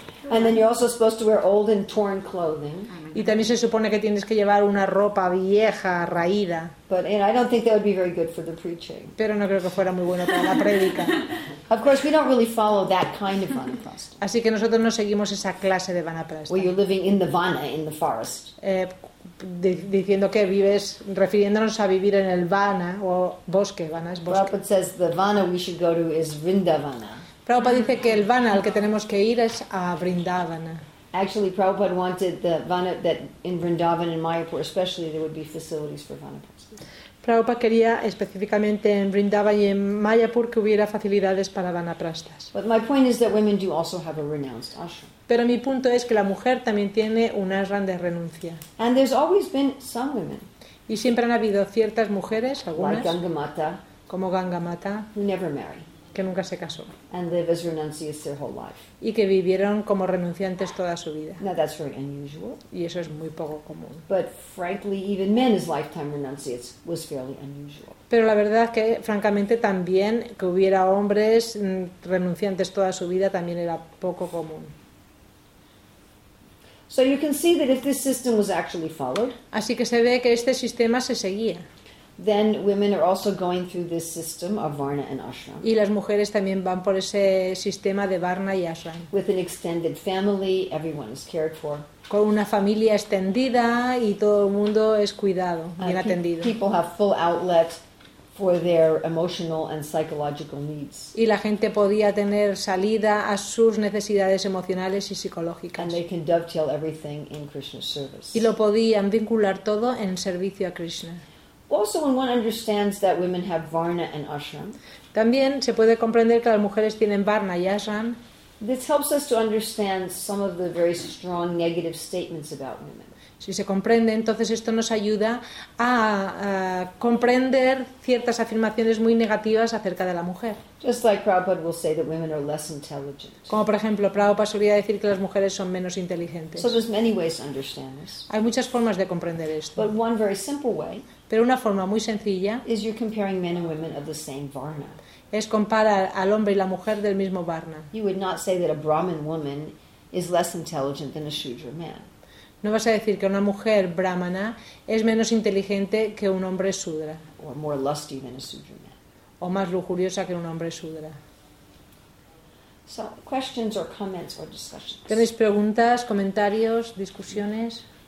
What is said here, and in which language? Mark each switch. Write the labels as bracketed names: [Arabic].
[English] And then you're also supposed to wear old and torn clothing. [Spanish] Y también se supone que tienes que llevar una ropa vieja, raída. [English] But I don't think that would be very good for the preaching. [Spanish] Pero no creo que fuera muy bueno para la prédica. [English] Of course, we don't really follow that kind of vanaprastha. [Spanish] Así que nosotros no seguimos esa clase de vanaprastha. [English] Where you're living in the vana, in the forest. [Spanish] Diciendo que vives, refiriéndonos a vivir en el vana o bosque, vana es bosque. [English] Prabhupada says the vana we should go to is Vrindavana. [Spanish] Prabhupada dice que el vana al que tenemos que ir es a Vrindavana. [English] Actually, Prabhupada wanted the vana that in Vrindavan and Mayapur, especially there would be facilities for vanaprastha. [Spanish] Prabhupada quería específicamente en Vrindavan y en Mayapur que hubiera facilidades para vanaprastas. [English] But my point is that women do also have a renounced ashram. [Spanish] Pero mi punto es que la mujer también tiene un ashram de renuncia. [English] And there's always been some women. [Spanish] Y siempre han habido ciertas mujeres, algunas, [English] like Gangamata, [Spanish] como Gangamata, [English] who never marry. [Spanish] Que nunca se casó. [English] And live as renunciates their whole life. [Spanish] Y que vivieron como renunciantes toda su vida. [English] Now that's very unusual. [Spanish] Y eso es muy poco común. [English] But frankly, even men's lifetime renunciates was fairly unusual. [Spanish] Pero la verdad que, francamente, también que hubiera hombres renunciantes toda su vida también era poco común. [English] So you can see that if this system was actually followed. [Spanish] Así que se ve que este sistema se seguía. [English] Then women are also going through this system of varna and ashram. [Spanish] Y las mujeres también van por ese sistema de varna y ashram. [English] With an extended family, everyone is cared for. [Spanish] Con una familia extendida y todo el mundo es cuidado, bien atendido. [English] People have full outlet for their emotional and psychological needs. [Spanish] Y la gente podía tener salida a sus necesidades emocionales y psicológicas. [English] And they can dovetail everything in Krishna's service. [Spanish] Y lo podían vincular todo en servicio a Krishna. [English] Also, when one understands that women have varna and ashram, [Spanish] también se puede comprender que las mujeres tienen varna y ashram. [English] This helps us to understand some of the very strong negative statements about women. [Spanish] Si se comprende, entonces esto nos ayuda a comprender ciertas afirmaciones muy negativas acerca de la mujer. [English] Just like Prabhupada will say that women are less intelligent. [Spanish] Como por ejemplo, Prabhupada solía decir que las mujeres son menos inteligentes. [English] So there's many ways to understand this. [Spanish] Hay muchas formas de comprender esto. [English] But one very simple way. [Spanish] Pero una forma muy sencilla [English] is you're comparing men and women of the same varna. [Spanish] Es comparar al hombre y la mujer del mismo varna. [English] You would not say that a Brahmin woman is less intelligent than a Shudra man. [Spanish] No vas a decir que una mujer brahmana es menos inteligente que un hombre sudra. [English] Or more lusty than a Shudra man. [Spanish] O más lujuriosa que un hombre sudra. [English] So, questions or comments or discussions. [Spanish] ¿Tenéis preguntas, comentarios, discusiones?